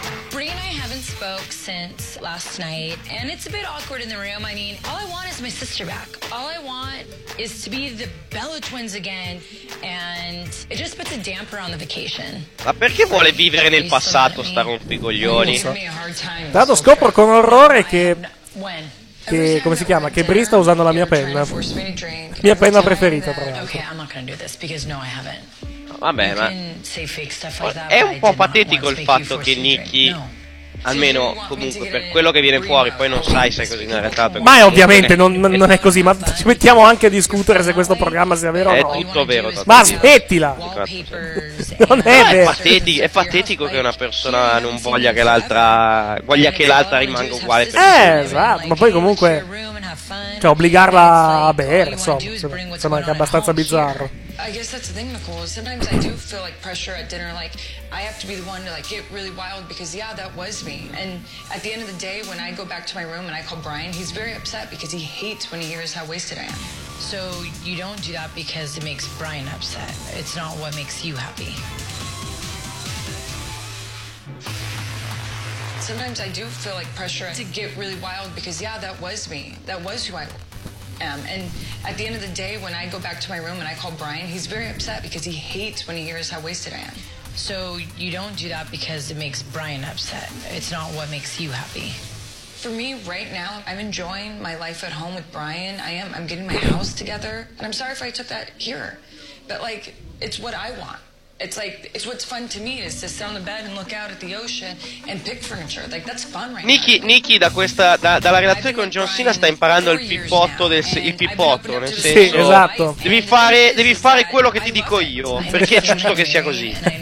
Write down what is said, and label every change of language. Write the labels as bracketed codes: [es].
[en] Brie and I haven't spoke since last night, and it's a bit awkward in the room. I mean, all I want is my sister back. All I want is to be the Bella twins again, and it just puts a damper on the vacation. [it] Ma perché vuole vivere nel passato, sta rompi coglioni? Dato scopro con orrore che come si chiama? Che Brie sta usando la mia penna. Mia penna preferita, però. Okay, I'm not gonna do this because no, I haven't. Vabbè, ma è un po' patetico il fatto che Nikki, almeno comunque per quello che viene fuori, poi non sai se è così in realtà. Ma è ovviamente non è così, ma ci mettiamo anche a discutere se questo programma sia vero o no. È tutto vero. Ma smettila! Non è vero. È patetico che una persona non voglia che l'altra rimanga uguale. Esatto, ma poi comunque, cioè, obbligarla a bere, insomma, sembra anche abbastanza bizzarro. [en] I guess that's the thing, Nicole. Sometimes I do feel like pressure at dinner, like I have to be the one to like get really wild because yeah, that was me. And at the end of the day, when I go back to my room and I call Brian, he's very upset because he hates when he hears how wasted I am. So you don't do that because it makes Brian upset. It's not what makes you happy. Sometimes I do feel like pressure to get really wild because yeah, that was me. That was who I was. And at the end of the day, when I go back to my room and I call Brian, he's very upset because he hates when he hears how wasted I am. So you don't do that because it makes Brian upset. It's not what makes you happy. For me right now, I'm enjoying my life at home with Brian. I'm getting my house together. And I'm sorry if I took that here, but like, it's what I want. It's like, it's what's fun to me is to sit on the bed and look out at the ocean and pick furniture. Like, that's fun right Nikki, now. [it] Nikki, dalla relazione con John Cena sta imparando il pippotto, nel senso. Sì, esatto. Devi fare quello che ti dico io, perché è giusto che sia così.